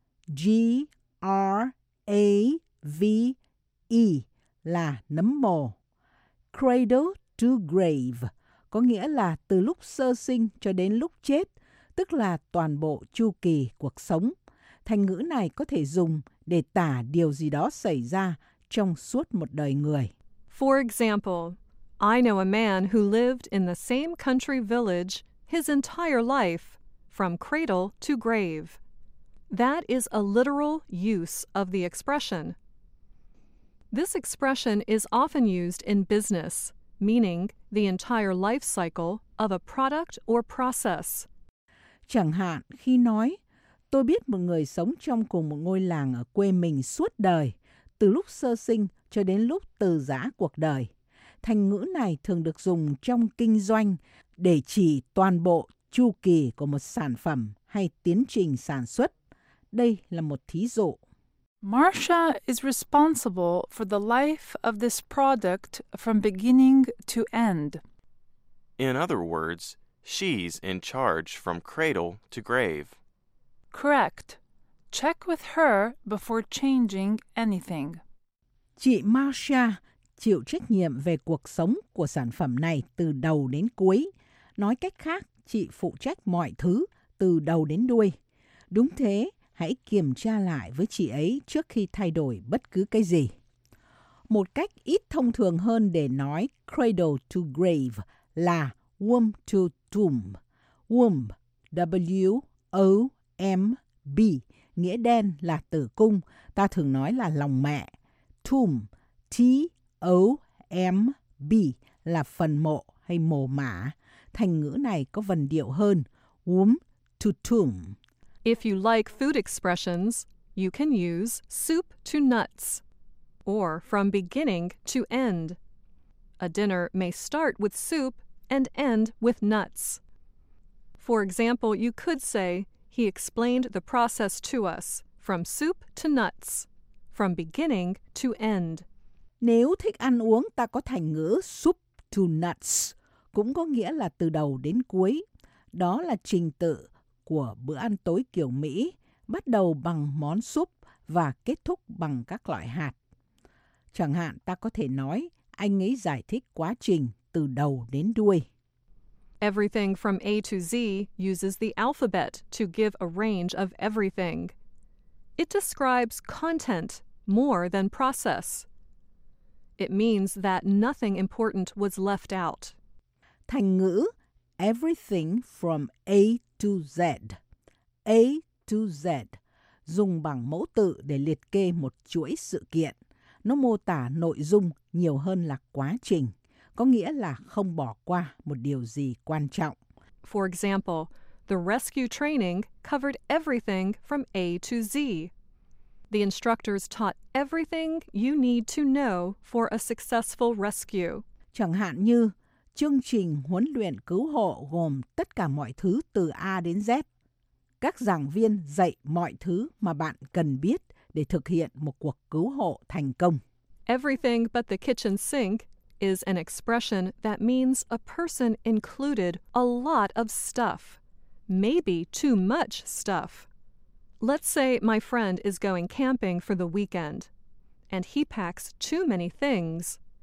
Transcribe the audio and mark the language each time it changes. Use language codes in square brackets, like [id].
[vi] G-R-A-V-E là nấm mồ. Cradle to grave có nghĩa là từ lúc sơ sinh cho đến lúc chết, tức là toàn bộ chu kỳ cuộc sống. Thành ngữ này có thể dùng để tả điều gì đó xảy ra trong suốt một đời người. [en] For example, I know a man who lived in the same country village his entire life, from cradle to grave. That is a literal use of the expression. This expression is often used in business, meaning the entire life cycle of a product or process. [vi] Chẳng hạn, khi nói, tôi biết một người sống trong cùng một ngôi làng ở quê mình suốt đời, từ lúc sơ sinh cho đến lúc từ giã cuộc đời. Thành ngữ này thường được dùng trong kinh doanh để chỉ toàn bộ chu kỳ của một sản phẩm hay tiến trình sản xuất. Đây là một thí dụ. [en] Marcia is responsible for the life of this product from beginning to end. In other words, she's in charge from cradle to grave. Correct. Check with her before changing anything. [vi] Chị Marcia chịu trách nhiệm về cuộc sống của sản phẩm này từ đầu đến cuối. Nói cách khác, chị phụ trách mọi thứ từ đầu đến đuôi. Đúng thế. Hãy kiểm tra lại với chị ấy trước khi thay đổi bất cứ cái gì. Một cách ít thông thường hơn để nói cradle to grave là [en] womb to tomb. [vi] Womb, W-O-M-B, nghĩa đen là tử cung, ta thường nói là lòng mẹ. Tomb, T-O-M-B, là phần mộ hay mồ mả. Thành ngữ này có vần điệu hơn, [en] womb to tomb. If you like food expressions, you can use soup to nuts, or from beginning to end. A dinner may start with soup and end with nuts. For example, you could say, he explained the process to us, from soup to nuts, from beginning to end. [vi] Nếu thích ăn uống, ta có thành ngữ [en] soup to nuts, [vi] cũng có nghĩa là từ đầu đến cuối. Đó là trình tự của bữa ăn tối kiểu Mỹ, bắt đầu bằng món súp và kết thúc bằng các loại hạt. Chẳng hạn ta có thể nói, anh ấy giải thích quá trình từ đầu đến đuôi. [en] Everything from A to Z uses the alphabet to give a range of everything. It describes content more than process. It means that nothing important was left out. [vi] Thành ngữ [en] everything from A to Z. [vi] A to Z dùng bằng mẫu tự để liệt kê một chuỗi sự kiện. Nó mô tả nội dung nhiều hơn là quá trình, có nghĩa là không bỏ qua một điều gì quan trọng. [en] For example, the rescue training covered everything from A to Z. The instructors taught everything you need to know for a successful rescue. [vi] Chẳng hạn như chương trình huấn luyện cứu hộ gồm tất cả mọi thứ từ A đến Z. Các giảng viên dạy mọi thứ mà bạn cần biết để thực hiện một cuộc cứu hộ thành công. [en] Everything but the kitchen sink is an expression that means a person included a lot of stuff. Maybe too much stuff. Let's say my friend is going camping for the weekend and he packs too many things.